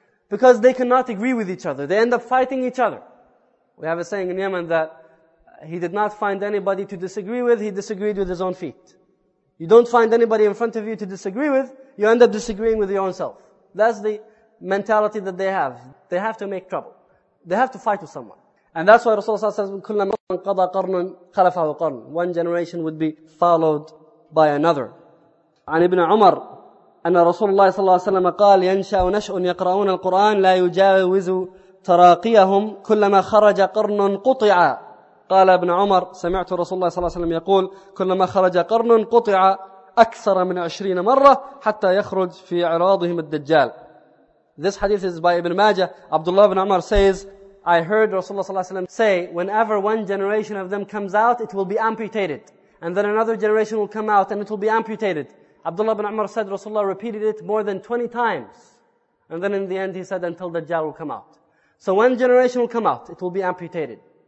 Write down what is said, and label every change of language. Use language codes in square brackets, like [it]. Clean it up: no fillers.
[en] Because they cannot agree with each other. They end up fighting each other. We have a saying in Yemen that he did not find anybody to disagree with. He disagreed with his own feet. You don't find anybody in front of you to disagree with. You end up disagreeing with your own self. That's the mentality that they have. They have to make trouble. They have to fight with someone. And that's why Rasulullah says, [ar] كُلَّ مَنْ قَضَى قَرْنًا خَلَفَهُ قَرْنًا. [en] One generation would be followed by another. [ar] عن ابن عمر أن رسول الله صلى الله عليه وسلم قال ينشأ نشأ يقرؤون القرآن لا يجاوز تراقيهم كلما خرج قرن قطع. قال ابن عمر سمعت رسول الله صلى الله عليه وسلم يقول كلما خرج قرن قطع أكثر من 20 مرة حتى يخرج في عراضهم الدجال. [en] This hadith is by Ibn Majah. Abdullah ibn Umar says, I heard Rasulullah [ar] صلى الله عليه وسلم [en] say, whenever one generation of them comes out, it will be amputated. And then another generation will come out and it will be amputated. Abdullah ibn Umar said, Rasulullah repeated it more than 20 times. And then in the end he said, until Dajjal will come out. So one generation will come out, it will be amputated.